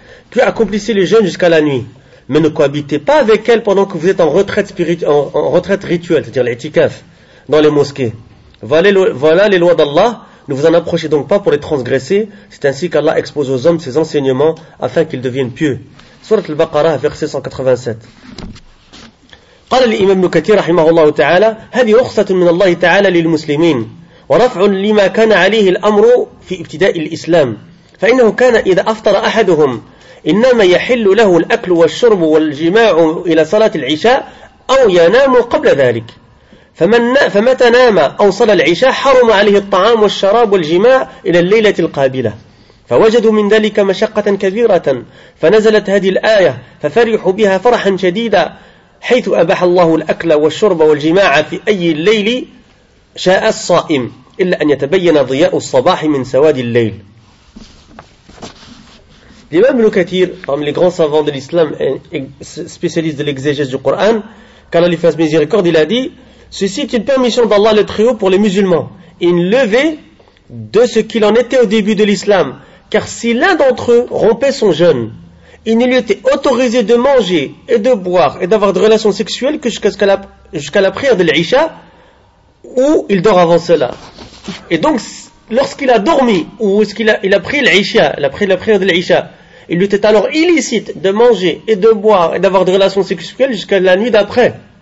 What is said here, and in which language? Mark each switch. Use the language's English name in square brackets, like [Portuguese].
[French] Puis accomplissez le jeûne jusqu'à la nuit. Mais ne cohabitez pas avec elle pendant que vous êtes en retraite rituelle, c'est-à-dire l'itikaf, dans les mosquées. Voilà les lois d'Allah. Ne vous en approchez donc pas pour les transgresser. C'est ainsi qu'Allah expose aux hommes ses enseignements afin qu'ils deviennent pieux. Sourate Al-Baqarah, verset 187. [Arabic] قال الإمام ابن كثير رحمه الله تعالى هذه رخصة من الله تعالى للمسلمين ورفع لما كان عليه الأمر في ابتداء الإسلام فإنه كان إذا أفطر أحدهم إنما يحل له الأكل والشرب والجماع إلى صلاة العشاء أو ينام قبل ذلك فمتى نام أو صلى العشاء حرم عليه الطعام والشراب والجماع إلى الليلة القابلة فوجدوا من ذلك مشقة كبيرة فنزلت هذه الآية ففرحوا بها فرحا شديدا حيث أباح الله الأكل والشرب والجماع في أي الليل شاء الصائم إلا أن يتبين ضياء الصباح من سواد الليل. [French] L'imam Ibn Kathir, parmi les grands savants de l'islam et spécialistes de l'exégèse du Coran, qu'Allah lui fasse miséricorde, il a dit « Ceci est une permission d'Allah le Très-Haut pour les musulmans, une levée de ce qu'il en était au début de l'islam. Car si l'un d'entre eux rompait son jeûne, il ne lui était autorisé de manger et de boire et d'avoir de relations sexuelles que jusqu'à la prière de l'Isha, où il dort avant cela. » Et donc, lorsqu'il a dormi, ou il a pris l'Isha, la prière de l'Isha, il lui était alors illicite de manger et de boire et d'avoir de relations sexuelles jusqu'à la nuit d'après.